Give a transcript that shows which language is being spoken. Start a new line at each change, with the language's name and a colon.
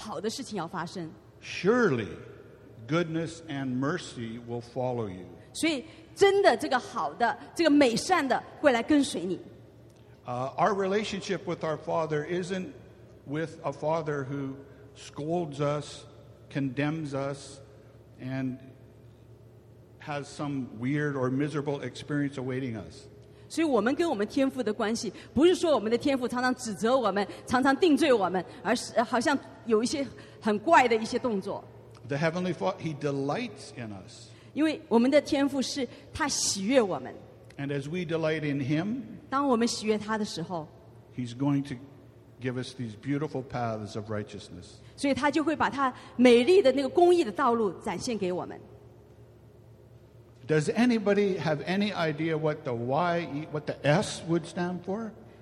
Chinese: 就是你每一天活在这样的一个对神的降服的里面呢，你就会每一天就是期待那个好的事情要发生。
English: Surely goodness and mercy will follow you.
Chinese: 所以真的这个好的，这个美善的会来跟随你。
English: Our relationship with our Father isn't with a Father who scolds us, condemns us, and has some weird or miserable experience awaiting us.
Chinese: 所以我们跟我们天父的关系，不是说我们的天父常常指责我们，常常定罪我们，而是好像有一些很怪的一些动作。
English: The Heavenly Father, He delights in us.
Chinese: 因为我们的天父是他喜悦我们。
English: And as we delight in Him,
Chinese: 当我们喜悦他的时候,
English: He's going to give us these beautiful paths of righteousness.
Chinese: 所以他就会把他美丽的那个公义的道路展现给我们。
English: Does anybody have any idea what the Y, what the S would stand for?